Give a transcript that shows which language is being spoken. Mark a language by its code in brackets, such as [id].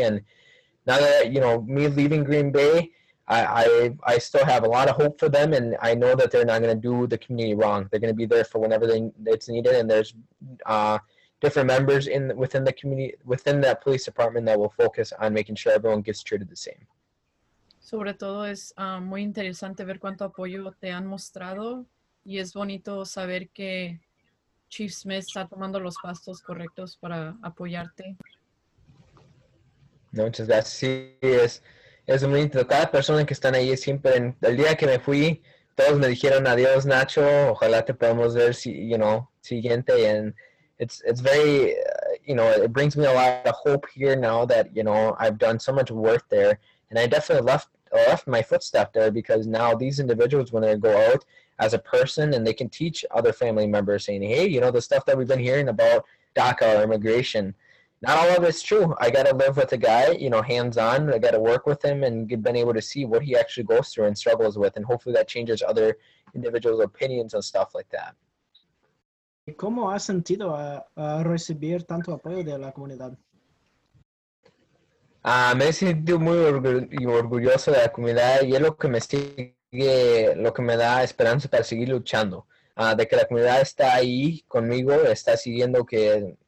[en] And now that, you know, me leaving Green Bay, I still have a lot of hope for them. And I know that they're not going to do the community wrong. They're going to be there for whenever it's needed. And there's different members within the community, within that police department, that will focus on making sure everyone gets treated the same. [es] Sobre todo es muy interesante ver cuánto apoyo te han mostrado, y es bonito saber que Chief Smith está tomando los pasos correctos para apoyarte. No, muchas gracias. Sí, es bonito. Cada persona que están ahí siempre, el día que me fui, todos me dijeron adiós, Nacho. Ojalá te podamos ver, si, [en] you know, [es] siguiente en. [en] It's very, you know, it brings me a lot of hope here now that, you know, I've done so much work there. And I definitely left my footstep there because now these individuals, when they go out as a person and they can teach other family members saying, hey, you know, the stuff that we've been hearing about DACA or immigration, not all of it's true. I got to live with a guy, you know, hands on. I got to work with him and been able to see what he actually goes through and struggles with. And hopefully that changes other individuals' opinions and stuff like that. [es] ¿Cómo has sentido a recibir tanto apoyo de la comunidad? Me he sentido muy orgulloso de la comunidad y es lo que me da esperanza para seguir luchando. De que la comunidad está ahí conmigo, está siguiendo que